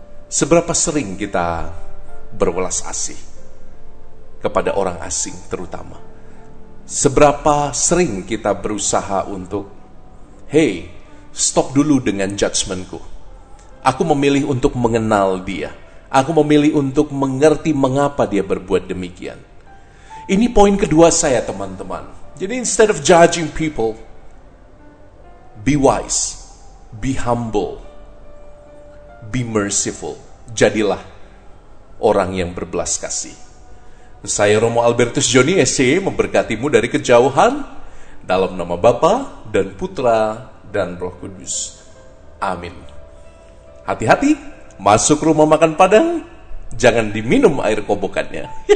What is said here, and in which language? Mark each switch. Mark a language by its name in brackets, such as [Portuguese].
[Indonesian] Seberapa sering kita berwelas asih kepada orang asing terutama? Seberapa sering kita berusaha untuk, hey, stop dulu dengan judgmentku. Aku memilih untuk mengenal dia. Aku memilih untuk mengerti mengapa dia berbuat demikian. Ini poin kedua saya, teman-teman. Jadi [English] instead of judging people, be wise, be humble, be merciful. [Indonesian] Jadilah orang yang berbelas kasih. Saya Romo Albertus Joni SC memberkatimu dari kejauhan dalam nama Bapa dan Putra dan Roh Kudus. Amin. Hati-hati masuk rumah makan Padang, jangan diminum air kobokannya.